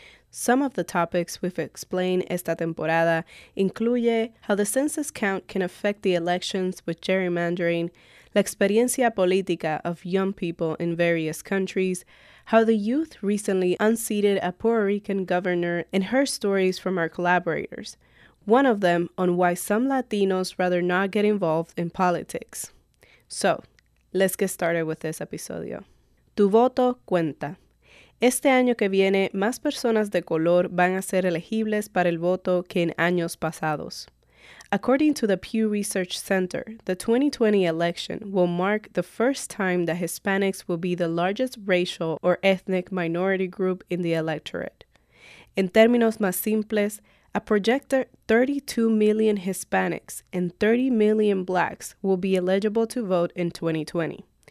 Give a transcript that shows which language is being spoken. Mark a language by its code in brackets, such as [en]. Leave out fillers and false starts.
[en] Some of the topics we've explained [es] esta temporada incluye [en] how the census count can affect the elections with gerrymandering, [es] la experiencia política [en] of young people in various countries, how the youth recently unseated a Puerto Rican governor, and her stories from our collaborators, one of them on why some Latinos rather not get involved in politics. So, let's get started with this episodio. [es] Tu voto cuenta. Este año que viene, más personas de color van a ser elegibles para el voto que en años pasados. [en] According to the Pew Research Center, the 2020 election will mark the first time that Hispanics will be the largest racial or ethnic minority group in the electorate. [es] En términos más simples, [en] a projected 32 million Hispanics and 30 million Blacks will be eligible to vote in 2020.